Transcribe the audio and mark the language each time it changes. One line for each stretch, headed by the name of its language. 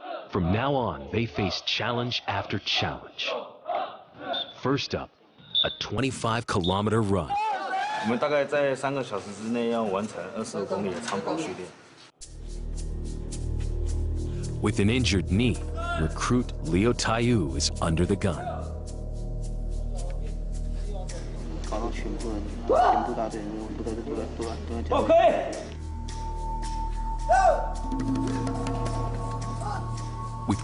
English: From now on, they face challenge after challenge. First up, a 25-kilometer run.
Chinese: 我们大概在三个小时之内要完成25公里的长跑训练.
English: With an injured knee, recruit Leo Taiyu is under the gun.
Chinese: 搞到全部人，全部大队，全部都在。OK。
English: With